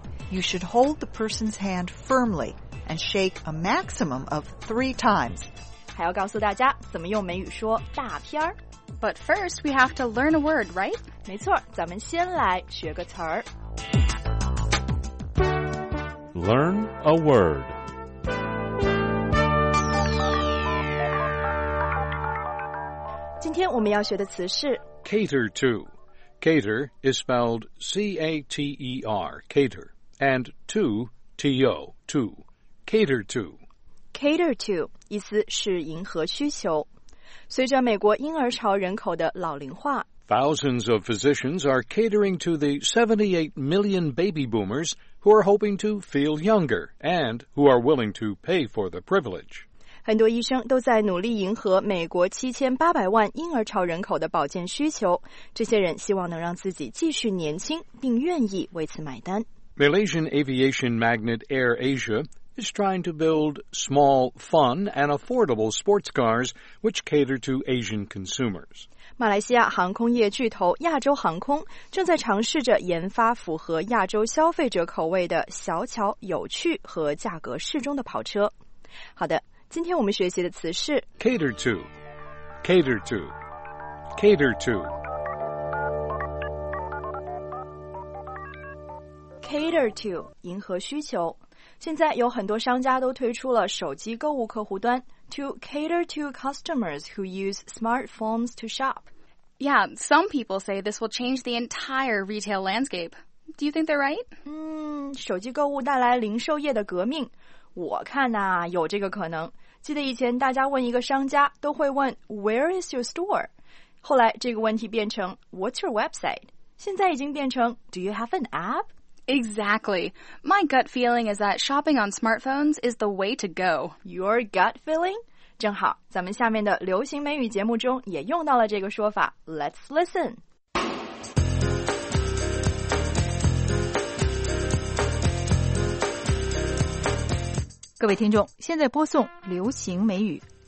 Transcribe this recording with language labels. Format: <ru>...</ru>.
<en>You should hold the person's hand firmly and shake a maximum of 3 times.</en> <zh>还要告诉大家怎么用美语说大片儿。</zh> <en>But first, we have to learn a word, right?</en> <zh>没错，咱们先来学个词儿。</zh> <en>Learn a word. Today,</en> <zh>我们要学的词是</zh> <en>cater to. Cater is spelled C-A-T-E-R, cater. And to, T-O, to. Cater to.</en> <zh>Cater to, 意思是迎合需求。随着美国婴儿潮人口的老龄化，</zh> <en>Thousands of physicians are catering to the 78 million baby boomers who are hoping to feel younger and who are willing to pay for the privilege.</en> <zh>很多医生都在努力迎合美国7800万婴儿潮人口的保健需求，这些人希望能让自己继续年轻，并愿意为此买单。</zh> <en>Malaysian aviation magnate Air Asia is trying to build small, fun, and affordable sports cars which cater to Asian consumers.</en> <zh>马来西亚航空业巨头亚洲航空正在尝试着研发符合亚洲消费者口味的小巧、有趣和价格适中的跑车。好的，今天我们学习的词是</zh> <en>cater to, cater to, cater to.</en> <zh>cater to, 迎合需求。现在有很多商家都推出了手机购物客户端</zh> <en>to cater to customers who use smartphones to shop. Yeah, some people say this will change the entire retail landscape. Do you think they're right?</en> <zh>手机购物带来零售业的革命，我看啊，有这个可能。记得以前大家问一个商家都会问</zh> <en>Where is your store?</en> <zh>后来这个问题变成</zh> <en>What's your website?</en> <zh>现在已经变成</zh> <en>Do you have an app? Exactly. My gut feeling is that shopping on smartphones is the way to go. Your gut feeling?</en> <zh>正好，咱们下面的流行美语节目中也用到了这个说法。</zh> <en>Let's listen.</en> <zh>各位听众，现在播送流行美语。</zh>